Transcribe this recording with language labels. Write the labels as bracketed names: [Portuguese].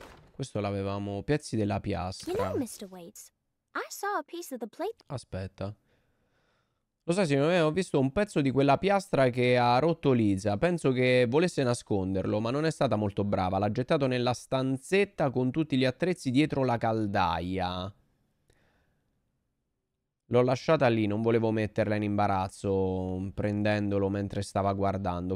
[Italian] Questo l'avevamo, pezzi della piastra. [English] You know, Mr. Waits, I saw a piece of the plate. [Italian] Aspetta. Lo sai, signor, ho visto un pezzo di quella piastra che ha rotto Lisa. Penso che volesse nasconderlo, ma non è stata molto brava. L'ha gettato nella stanzetta con tutti gli attrezzi dietro la caldaia. L'ho lasciata lì, non volevo metterla in imbarazzo, prendendolo mentre stava guardando.